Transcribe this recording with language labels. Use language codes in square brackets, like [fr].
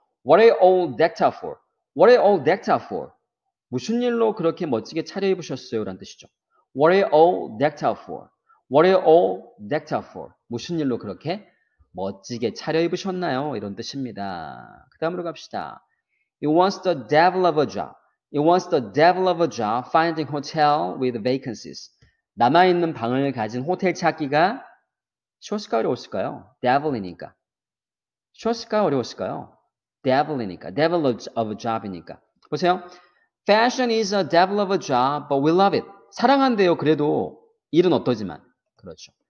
[en] What are you all decked out for? What are you all decked out for? [ko] 무슨 일로 그렇게 멋지게 차려입으셨어요? 라는 뜻이죠. [en] What are you all decked out for? What are you all decked out for? [ko] 무슨 일로 그렇게 멋지게 차려입으셨나요? 이런 뜻입니다. 그 다음으로 갑시다. [en] It was the devil of a job. It was the devil of a job finding hotel with vacancies. [ko] 남아있는 방을 가진 호텔 찾기가 쉬웠을까 어려웠을까요? Devil이니까. 쉬웠을까 어려웠을까요? Devil이니까. Devil of a job이니까. 보세요. [en] Fashion is a devil of a job, but we love it. [ko] 사랑한대요. 그래도 일은 어떠지만. 그렇죠.